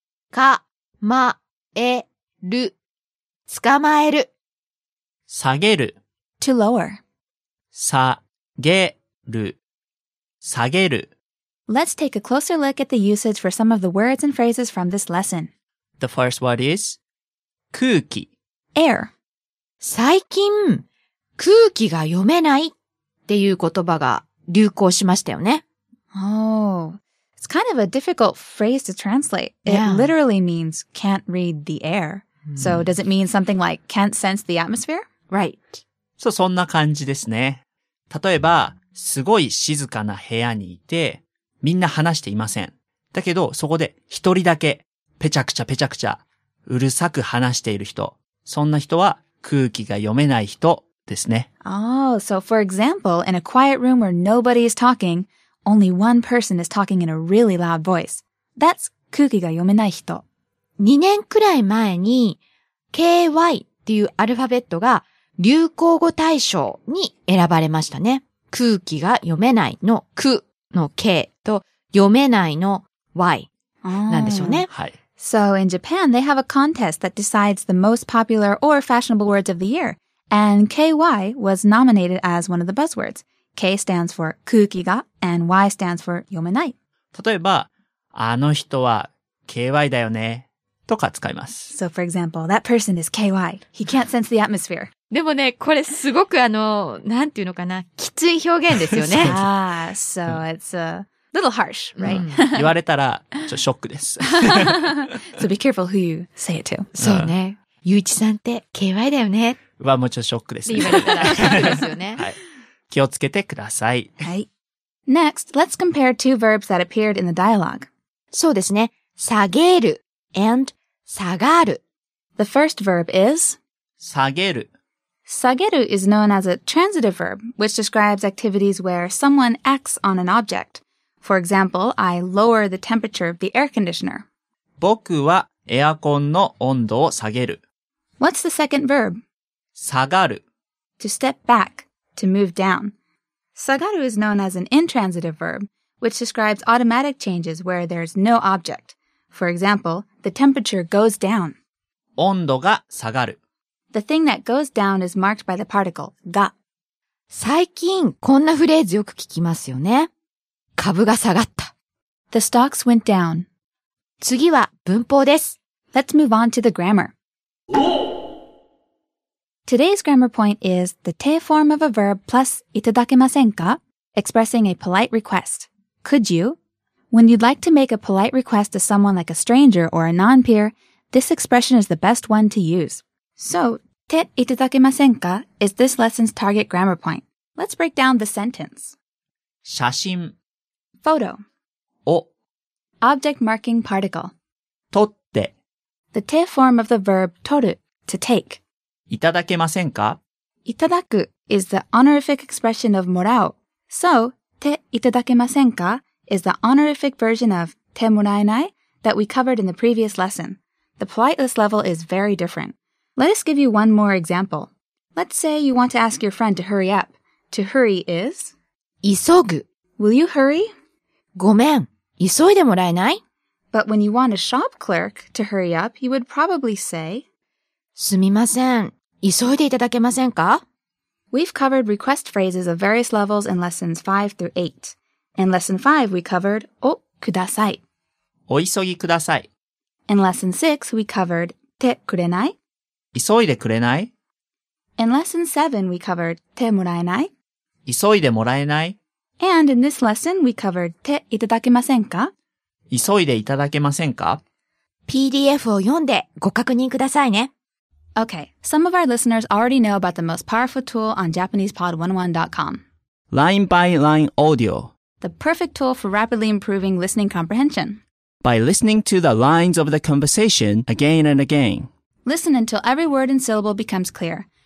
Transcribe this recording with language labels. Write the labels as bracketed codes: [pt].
[ja] 捕まえる。捕まえる。下げる。 [en] To lower. [ja] 下げる。下げる。 [en] Let's take a closer look at the usage for some of the words and phrases from this lesson. The first word is 空気 air. [ja] 最近空気が読めないっていう言葉が流行しましたよね。 [en] Oh, it's kind of a difficult phrase to translate. It Yeah. literally means can't read the air. So does it mean something like can't sense the atmosphere? Right. [ja] そう、そんな感じですね。例えばすごい静かな部屋にいてみんな話していません。だけど、そこで一人だけ、ペチャクチャペチャクチャ、うるさく話している人。そんな人は、空気が読めない人ですね。 [en] Oh, so for example, in a quiet room where nobody is talking, only one person is talking in a really loud voice. That's [ja] 空気が読めない人。 2年くらい前に、KY っていうアルファベットが流行語大賞に選ばれましたね。空気が読めないの空。の K と読めないの Y なんでしょうね。はい。 [en] So in Japan, they have a contest that decides the most popular or fashionable words of the year. And KY was nominated as one of the buzzwords. K stands for 空気が and Y stands for 読めない。 [ja] 例えば、あの人は KY だよねとか使います。 [en] So for example, that person is KY. He can't sense the atmosphere. [ja] でもね、これすごくなんていうのかな、きつい表現ですよね。 [en] ah, so it's a little harsh, right? [ja] 言われたら、ちょ、ショックです。 [en] so be careful who you say it to. [ja] そうね。ゆういちさんって、KY だよね。はもちろんショックですね。ですよね。はい。気をつけてください。はい。 [en] Next, let's compare two verbs that appeared in the dialogue. [ja] そうですね。下げる and 下がる。 [en] The first verb is [ja] 下げる。 [en] 下げる is known as a transitive verb, which describes activities where someone acts on an object. For example, I lower the temperature of the air conditioner. [ja] 僕はエアコンの温度を下げる。 [en] What's the second verb? [ja] 下がる。 [en] To step back, to move down. 下がる is known as an intransitive verb, which describes automatic changes where there is no object. For example, the temperature goes down. [ja] 温度が下がる。 [en] The thing that goes down is marked by the particle, が。 [ja] 最近こんなフレーズよく聞きますよね。株が下がった。 [en] The stocks went down. [ja] 次は文法です。 [en] Let's move on to the grammar. Today's grammar point is the 手 form of a verb plus いただけませんか? Expressing a polite request. Could you? When you'd like to make a polite request to someone like a stranger or a non-peer, this expression is the best one to use. [ja] So, 手いただけませんか? [en] is this lesson's target grammar point. Let's break down the sentence. [ja] 写真 [en] photo [ja] を [en] object marking particle [ja] 取って [en] the 手 form of the verb 取る to take. [ja] いただけませんか? [en] いただく is the honorific expression of もらう. [ja] So, 手いただけませんか? [en] is the honorific version of 手もらえない?that we covered in the previous lesson. The politeness level is very different. Let us give you one more example. Let's say you want to ask your friend to hurry up. To hurry is? [ja] 急ぐ。 [en] Will you hurry? [ja] ごめん。急いでもらえない? [en] But when you want a shop clerk to hurry up, you would probably say? [ja] すみません。急いでいただけませんか? [en] We've covered request phrases of various levels in lessons 5 through 8. In lesson 5, we covered おください。 [ja] お急ぎください。 [en] In lesson 6, we covered てくれない? [ja] 急いでくれない? [en] In lesson 7, we covered 手もらえない? [ja] 急いでもらえない? [en] And in this lesson, we covered 手いただけませんか? [ja] 急いでいただけませんか? PDF を読んでご確認くださいね。 [en] Okay, some of our listeners already know about the most powerful tool on JapanesePod101.com. Line by line audio. The perfect tool for rapidly improving listening comprehension. By listening to the lines of the conversation again and again. Listen until every word and syllable becomes clear.